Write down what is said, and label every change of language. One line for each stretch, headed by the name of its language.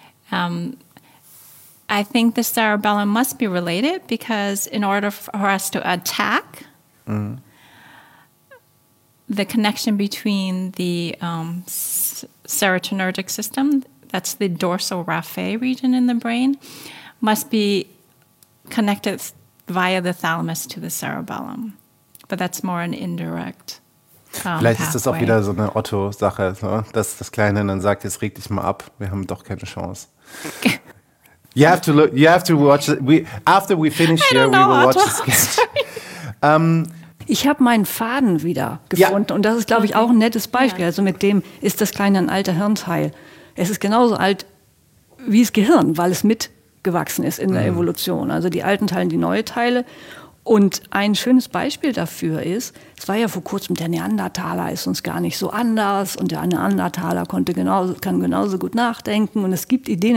English: I think the cerebellum must be related because in order for us to attack, the connection between the serotonergic system, that's the dorsal raphe region in the brain, must be connected via the thalamus to the cerebellum. But that's more an indirect
German: Vielleicht
English: pathway.
German: Ist das auch wieder so eine Otto-Sache, so, dass das Kleine dann sagt, jetzt reg dich mal ab, wir haben doch keine Chance.
English: You have to look. You have to watch. After we finish here, we will watch the sketch.
German: Ich habe meinen Faden wieder gefunden, und das ist, glaube ich, auch ein nettes Beispiel. Also mit dem ist das Kleine ein alter Hirnteil. Es ist genauso alt wie das Gehirn, weil es mitgewachsen ist in der Evolution. Also die alten Teile, die neue Teile. Und ein schönes Beispiel dafür ist, es war ja vor kurzem, der Neandertaler ist uns gar nicht so anders, und der Neandertaler kann genauso gut nachdenken. Und es gibt Ideen.